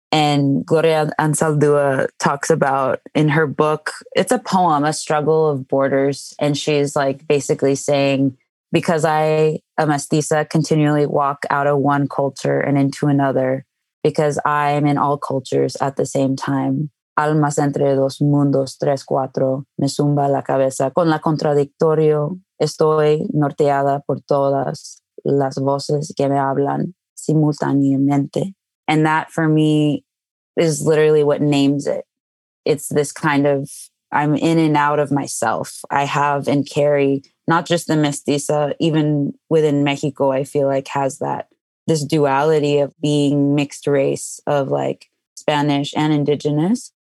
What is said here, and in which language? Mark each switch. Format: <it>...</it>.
<en>And Gloria Anzaldúa talks about in her book, it's a poem, A Struggle of Borders. And she's like basically saying, because I, a mestiza, continually walk out of one culture and into another, because I am in all cultures at the same time.</en> <es>Almas entre dos mundos, tres, cuatro, me zumba la cabeza. Con la contradictorio, estoy norteada por todas las voces que me hablan simultáneamente.</es> <en>And that for me is literally what names it. It's this kind of, I'm in and out of myself. I have and carry not just the mestiza, even within Mexico, I feel like has that, this duality of being mixed race, of like Spanish and indigenous.</en>